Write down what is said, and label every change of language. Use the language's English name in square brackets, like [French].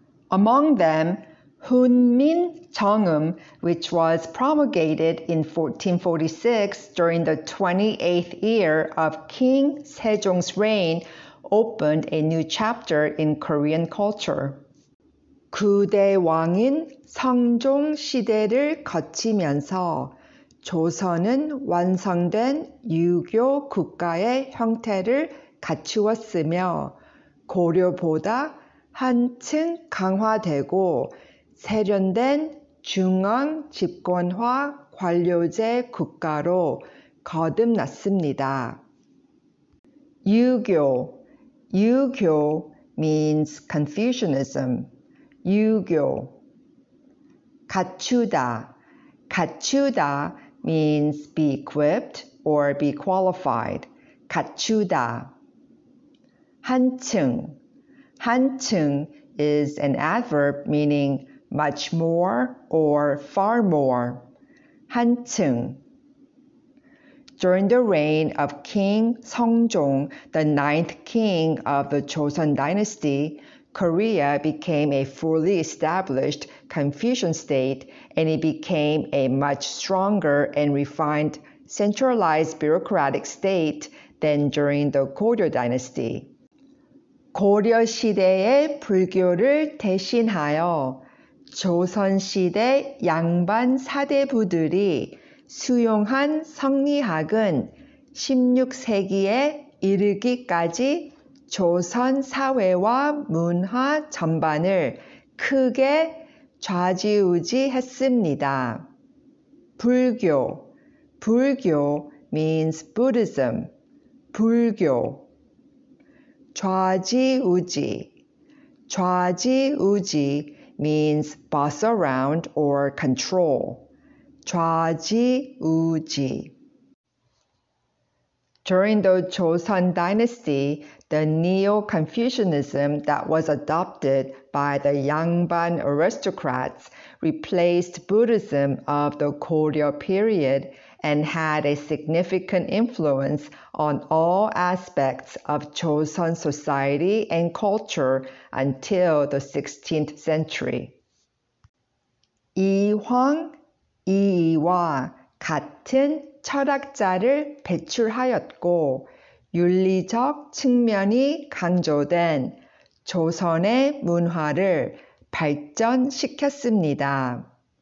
[English] Among them, Hunmin Jeongeum, which was promulgated in 1446 during the 28th year of King Sejong's reign, opened a new chapter in Korean culture. [Korean] 9대왕인 성종 시대를 거치면서 조선은 완성된 유교 국가의 형태를 갖추었으며 고려보다 한층 강화되고 세련된 중앙 집권화 관료제 국가로 거듭났습니다. 유교. [English] 유교 means Confucianism. [Korean] 유교. 갖추다. [English] 갖추다 means be equipped or be qualified. [Korean] 갖추다. 한층. [English] 한층 is an adverb meaning much more or far more. [Korean] 한층. [English] During the reign of King Seongjong, the ninth king of the Joseon dynasty, Korea became a fully established Confucian state, and it became a much stronger and refined centralized bureaucratic state than during the Goryeo dynasty. [Korean] 고려 시대의 불교를 대신하여 조선시대 양반 사대부들이 수용한 성리학은 16세기에 이르기까지 조선 사회와 문화 전반을 크게 좌지우지했습니다. 불교. [English] 불교 means Buddhism. [Korean] 불교. 좌지우지. [English] 좌지우지 means boss around or control. [Korean] 좌지우지. [English] During the Joseon dynasty, the Neo-Confucianism that was adopted by the Yangban aristocrats replaced Buddhism of the Goryeo period and had a significant influence on all aspects of Joseon society and culture until the 16th century. [Korean] 이황, 이이와 같은 철학자를 배출하였고 윤리적 측면이 강조된 조선의 문화를 발전시켰습니다.